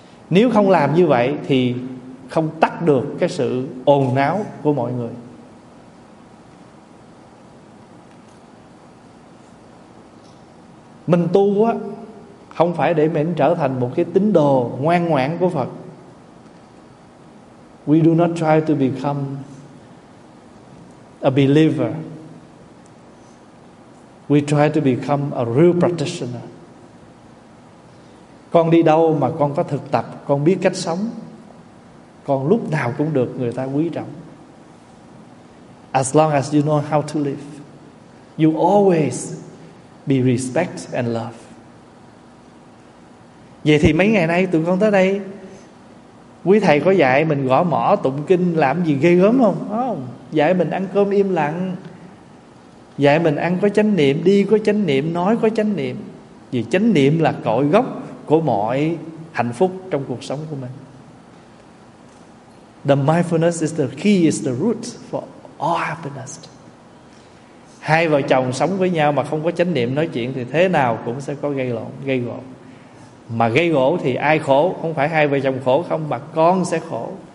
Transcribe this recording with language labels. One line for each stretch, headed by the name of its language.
Vietnamese: Nếu không làm như vậy thì không tắt được cái sự ồn náo của mọi người. Mình tu á, không phải để mình trở thành một cái tín đồ ngoan ngoãn của Phật.
English: We do not try to become a believer. We try to become a real practitioner.
Vietnamese: Con đi đâu mà con có thực tập, con biết cách sống, con lúc nào cũng được người ta quý trọng.
English: As long as you know how to live, you always be respect and love.
Vietnamese: Vậy thì mấy ngày nay tụi con tới đây, quý thầy có dạy mình gõ mõ tụng kinh làm gì ghê gớm không? Không. Dạy mình ăn cơm im lặng, dạy mình ăn có chánh niệm, đi có chánh niệm, nói có chánh niệm. Vì chánh niệm là cội gốc của mọi hạnh phúc trong cuộc sống của mình.
English: The mindfulness is the key, is the root for all happiness.
Vietnamese: Hai vợ chồng sống với nhau mà không có chánh niệm nói chuyện thì thế nào cũng sẽ có gây lộn, gây gỗ. Mà gây gỗ thì ai khổ? Không phải hai vợ chồng khổ không, mà con sẽ khổ.